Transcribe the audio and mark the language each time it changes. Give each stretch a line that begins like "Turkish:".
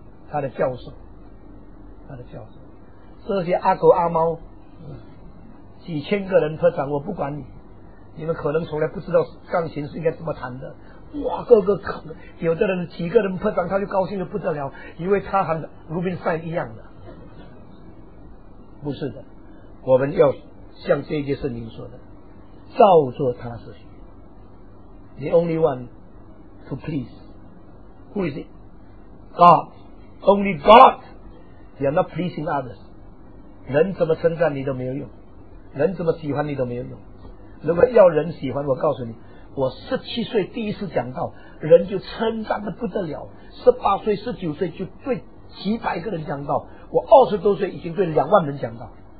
Chinese: 他的教授，他的教授。这些阿狗阿猫几千个人特长，我不管你，你们可能从来不知道钢琴是应该怎么弹的，哇，各个可能有的人几个人特长他就高兴得不得了，以为他和鲁宾斯坦一样的，不是的。我们要像这些圣经说的，照做他所学。
English: The only one to please, who is it? God, only God. You are not pleasing others.
Chinese: 人怎么称赞你都没有用，人怎么喜欢你都没有用。如果要人喜欢，我告诉你，我十七岁第一次讲到人就称赞得不得了，十八岁十九岁就对几百个人讲到，我二十多岁已经对两万人讲到。